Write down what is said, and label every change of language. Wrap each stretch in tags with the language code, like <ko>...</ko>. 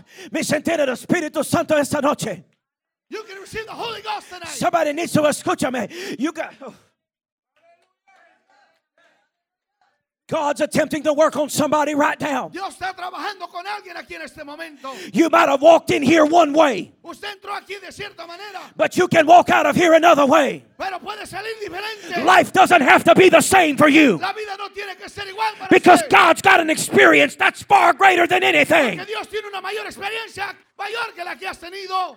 <es>Me sentí en el Espíritu Santo esta noche.</es> <en>You can receive the Holy Ghost tonight. Somebody needs to</en> <es>escúchame.</es> <en>You got. God's attempting to work on somebody right now.</en> <es>Dios está trabajando con alguien aquí en este momento.</es> <en>You might have walked in here one way.</en> <es>Usted entró aquí de cierta manera.</es> <en>But you can walk out of here another way.</en> <es>Pero puede salir diferente.</es> <en>Life doesn't have to be the same for you.</en> <es>La vida no tiene que ser igual para because ser.</es> <en>God's got an experience that's far greater than anything.</en> <es>Porque Dios tiene una mayor experiencia mayor que la que has tenido.</es>